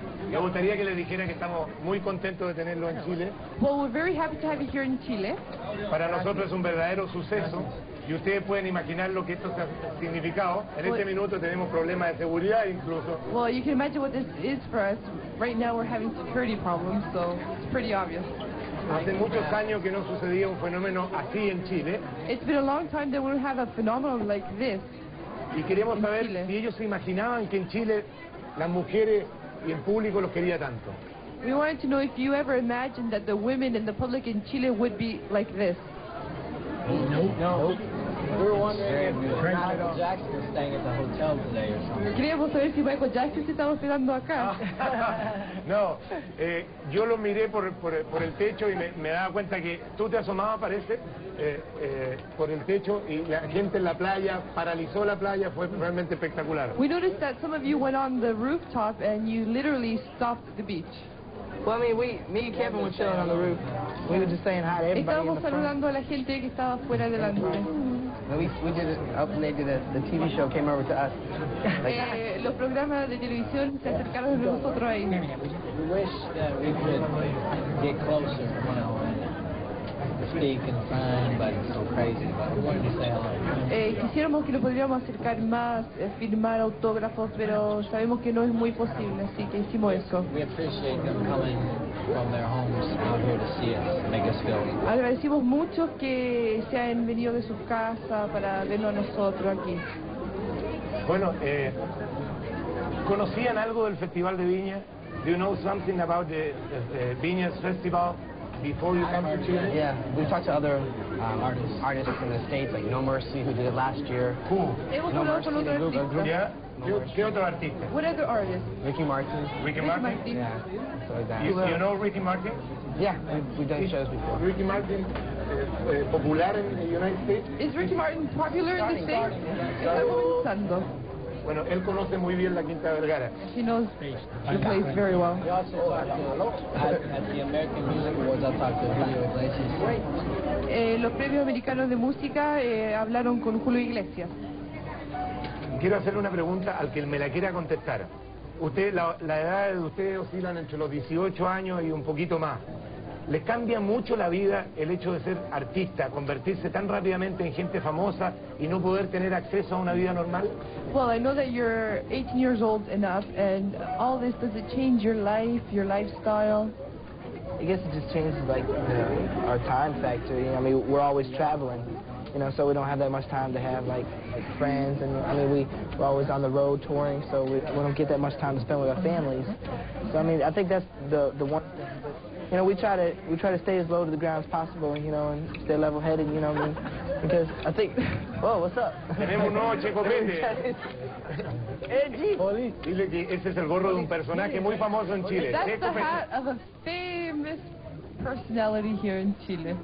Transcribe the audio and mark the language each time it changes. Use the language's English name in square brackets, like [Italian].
[Spanish] Me gustaría que le dijera que estamos muy contentos de tenerlo en Chile. [English] Well, we're very happy to have you here in Chile. [Spanish] Para nosotros es un verdadero suceso. Y ustedes pueden imaginar lo que esto ha significado. En este minuto tenemos problemas de seguridad incluso. [English] Well, you can imagine what this is for us. Right now we're having security problems, so it's pretty obvious. [Spanish] Hace muchos años que no sucedía un fenómeno así en Chile. [English] It's been a long time that we don't have a phenomenon like this. [Spanish] Y queríamos saber si ellos se imaginaban que en Chile las mujeres y el público los quería tanto. [English] We wanted to know if you ever imagined that the women and the public in Chile would be like this. No. We were wondering if Michael Jackson was staying at the hotel today or something. [Spanish] Queríamos saber si Michael Jackson se estaba quedando acá. No, yo lo miré por el techo y me daba cuenta que tú te asomabas, parece, por el techo y la gente en la playa paralizó la playa, fue realmente espectacular. [English] We noticed that some of you went on the rooftop and you literally stopped the beach. Well, I mean, me and Kevin were chilling on the roof. We were just saying hi to everybody. [Spanish] Estábamos saludando a la gente que estaba fuera del andén. [English] We did it up and they did it. The TV show came over to us. [Spanish] Los programas de televisión se acercaron a nosotros ahí. [English] We wish that we could get closer, you know, and speak and sign, but it's so crazy. But we wanted to say hello. [Spanish] Quisiéramos que lo podríamos acercar más, firmar autógrafos, pero sabemos que no es muy posible, así que hicimos eso. [English] We appreciate them coming from their homes out here to see us, make us feel. [Spanish] Agradecimos mucho que se hayan venido de sus casas para vernos a nosotros aquí. Bueno, ¿conocían algo del Festival de Viña? [English] Do you know something about the Viña's Festival? Before you come to Chile? Yeah, we talked to other artists in the States, like No Mercy, who did it last year. Who? No Mercy, the group. Yeah? No Mercy. [Spanish] ¿Qué otro artista? [English] What other artists? Ricky Martin. Ricky Martin? Yeah. So you know Ricky Martin? Yeah, we've done shows before. Ricky Martin popular in the United States? Is Ricky Martin popular in the States? Starting. Oh. [Spanish] Bueno, él conoce muy bien la Quinta Vergara. [English] He knows the place very well. He also talked to me. At the American Music Awards, I talked to Julio Iglesias. [Spanish] Los premios americanos de música hablaron con Julio Iglesias. Quiero hacerle una pregunta al que me la quiera contestar. Usted, la edad de ustedes oscilan entre los 18 años y un poquito más. ¿Les cambia mucho la vida el hecho de ser artista, convertirse tan rápidamente en gente famosa y no poder tener acceso a una vida normal? [English] Well, I know that you're 18 years old enough, and all this, does it change your lifestyle? I guess it just changes, like, our time factor. I mean, we're always traveling, you know, so we don't have that much time to have, like friends, and I mean, we're always on the road touring, so we don't get that much time to spend with our families. So, I mean, I think that's the one thing. You know, we try to stay as low to the ground as possible, you know, and stay level-headed, you know what I mean? Because I think... Whoa, what's up? [Spanish] Tenemos un nuevo Checo Pérez. [English] Edgy! Police. [Spanish] Dile que ese es el gorro de un personaje muy famoso en Chile. [English] That's Checo the hat of a famous personality here in Chile.